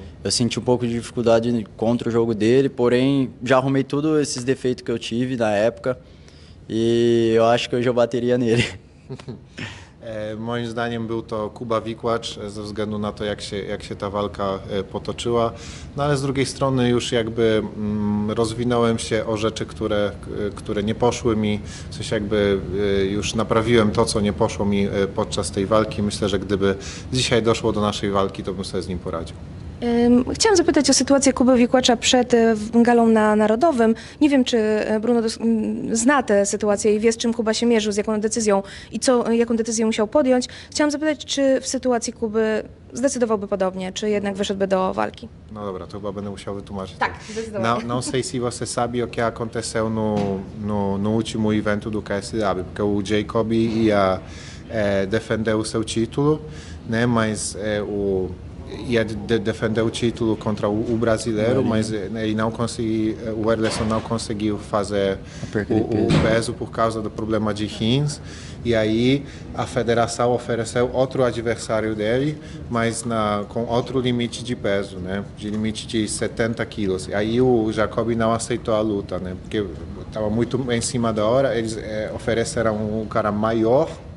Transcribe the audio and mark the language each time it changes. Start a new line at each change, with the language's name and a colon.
Portuguese: Eu senti um pouco de dificuldade contra o jogo dele, porém, já arrumei todos esses defeitos que eu tive na época e eu acho que hoje eu bateria nele.
Polish: Moim zdaniem był to Kuba Wikłacz ze względu na to, jak się ta walka potoczyła. No ale z drugiej strony już jakby rozwinąłem się o rzeczy, które nie poszły mi. W sensie jakby już naprawiłem to, co nie poszło mi podczas tej walki. Myślę, że gdyby dzisiaj doszło do naszej walki, to bym sobie z nim poradził. Chciałam zapytać o sytuację Kuby Wikłacza przed galą na Narodowym. Nie wiem, czy Bruno zna tę sytuację i wie, z czym Kuba się mierzył, z jaką decyzją i jaką decyzję musiał podjąć. Chciałam zapytać, czy w sytuacji Kuby zdecydowałby podobnie, czy jednak wyszedłby do walki. No dobra, to chyba będę musiał wytłumaczyć. Tak, zdecydowanie.
Portuguese: Não sei se você sabe o que aconteceu no último evento do KSW, porque o Jacob ia defender o seu título, né, mas o... ia defender o título contra o brasileiro, mas ele não conseguiu, o Erlesson não conseguiu fazer o peso por causa do problema de rins, e aí a federação ofereceu outro adversário dele, mas com outro limite de peso, né, de limite de 70 quilos, e aí o Jacob não aceitou a luta, né, porque estava muito em cima da hora, eles ofereceram um cara maior